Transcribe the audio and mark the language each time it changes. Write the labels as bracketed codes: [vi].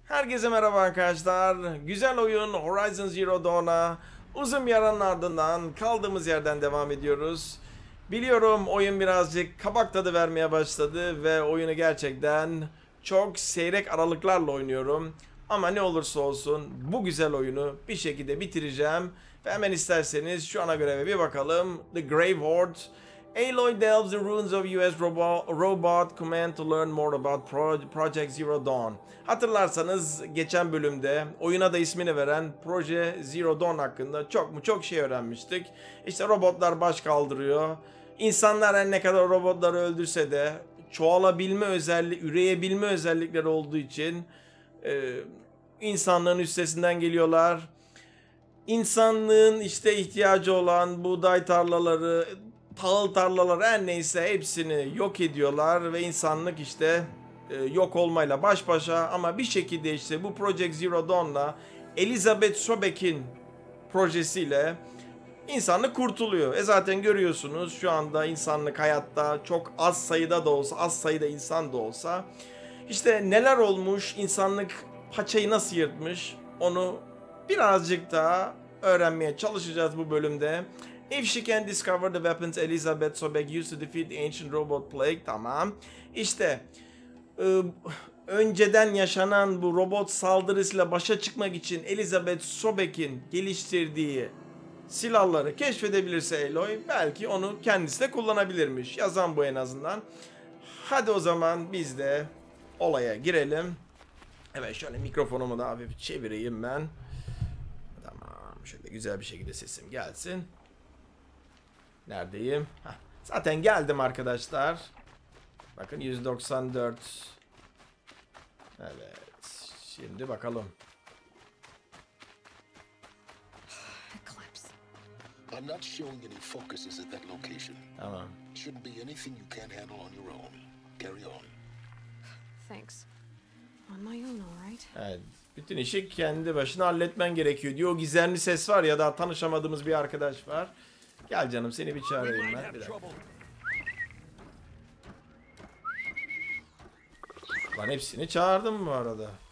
[tr] Herkese merhaba arkadaşlar. Güzel oyun Horizon Zero Dawn'a uzun bir aranın ardından kaldığımız yerden devam ediyoruz. Biliyorum oyun birazcık kabak tadı vermeye başladı ve oyunu gerçekten çok seyrek aralıklarla oynuyorum. Ama ne olursa olsun bu güzel oyunu bir şekilde bitireceğim. Ve hemen isterseniz şu ana göreve bir bakalım. [en] The Grave Horde. Aloy delves the ruins of US Robot Command to learn more about Project Zero Dawn. [tr] Hatırlarsanız geçen bölümde oyuna da ismini veren Proje Zero Dawn hakkında çok mu çok şey öğrenmiştik. İşte robotlar baş kaldırıyor. İnsanlar her ne kadar robotları öldürse de çoğalabilme özelliği, üreyebilme özellikleri olduğu için insanlığın üstesinden geliyorlar. İnsanlığın işte ihtiyacı olan buğday tarlaları, tahıl tarlaları her neyse hepsini yok ediyorlar ve insanlık işte yok olmayla baş başa. Ama bir şekilde işte bu Project Zero Dawn'la Elizabeth Sobeck'in projesiyle insanlık kurtuluyor. Zaten görüyorsunuz şu anda insanlık hayatta çok az sayıda da olsa, az sayıda insan da olsa. İşte neler olmuş, insanlık paçayı nasıl yırtmış onu birazcık daha öğrenmeye çalışacağız bu bölümde. [en] If she can discover the weapons Elizabeth Sobeck used to defeat the ancient robot plague, tamam. [tr] İşte önceden yaşanan bu robot saldırısıyla başa çıkmak için Elizabeth Sobeck'in geliştirdiği silahları keşfedebilirse Aloy, belki onu kendisi de kullanabilirmiş. Yazan bu en azından. Hadi o zaman biz de olaya girelim. Evet, şöyle mikrofonumu da hafif çevireyim ben. Tamam, şöyle güzel bir şekilde sesim gelsin. Neredeyim? Heh, zaten geldim arkadaşlar. Bakın 194. Evet. Şimdi bakalım. [en] Eclipse. I'm not showing any focuses at that location. [tr] Tamam. [en] Shouldn't be anything you can't handle on your own. Carry on. Thanks. On my own, all right? [tr] Evet. Bütün işi kendi başına halletmen gerekiyor diyor. O gizemli ses var ya, daha tanışamadığımız bir arkadaş var. Gel canım, seni bir çağırayım ben. Bir dakika. Lan hepsini çağırdım bu arada.